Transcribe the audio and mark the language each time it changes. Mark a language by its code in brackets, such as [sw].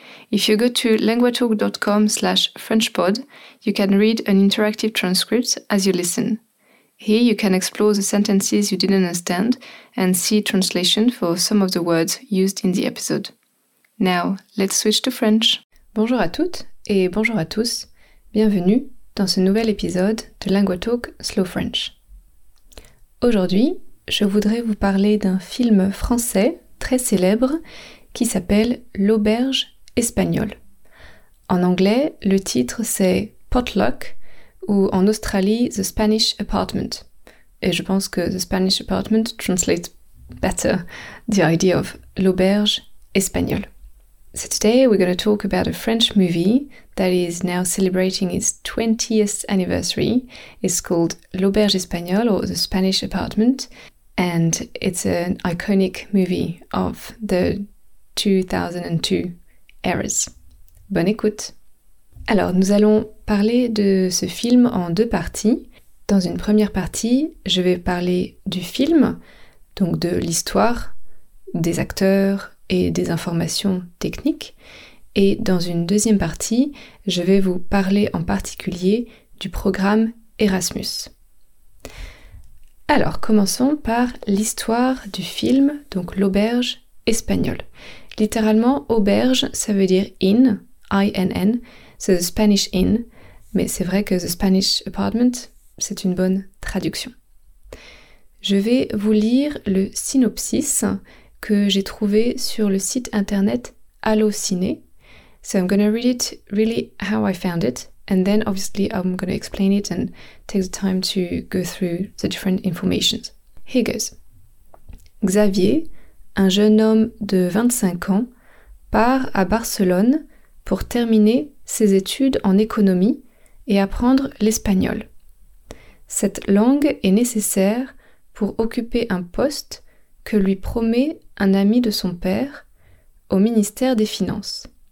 [en] If you go to languagetalk.com/frenchpod, you can read an interactive transcript as you listen. Here you can explore the sentences you didn't understand and see translation for some of the words used in the episode. Now, let's switch to French. [fr] Bonjour à toutes et bonjour à tous. Bienvenue dans ce nouvel épisode de Lingua Talk Slow French. Aujourd'hui, je voudrais vous parler d'un film français très célèbre qui s'appelle L'Auberge Espagnole. En anglais, le titre c'est Potluck ou en Australie The Spanish Apartment. Et je pense que [en] The Spanish Apartment translates better the idea of L'Auberge Espagnole. So today we're going to talk about a French movie that is now celebrating its 20th anniversary. It's called L'Auberge Espagnole, or The Spanish Apartment, and it's an iconic movie of the 2002 eras. [fr] Bonne écoute! Alors, nous allons parler de ce film en deux parties. Dans une première partie, je vais parler du film, donc de l'histoire, des acteurs et des informations techniques. Et dans une deuxième partie, je vais vous parler en particulier du programme Erasmus. Alors, commençons par l'histoire du film, donc l'auberge espagnole. Littéralement, auberge, ça veut dire inn, I-N-N, c'est [en] the Spanish inn, [fr] mais c'est vrai que the Spanish apartment, c'est une bonne traduction. Je vais vous lire le synopsis que j'ai trouvé sur le site internet Allociné. [en] So I'm going to read it really how I found it, and then obviously I'm going to explain it and take the time to go through the different informations. Here goes. [fr] Xavier, un jeune homme de 25 ans, part à Barcelone pour terminer ses études en économie et apprendre l'espagnol. Cette langue est nécessaire pour occuper un poste que lui promet un ami de son père au ministère des Finances.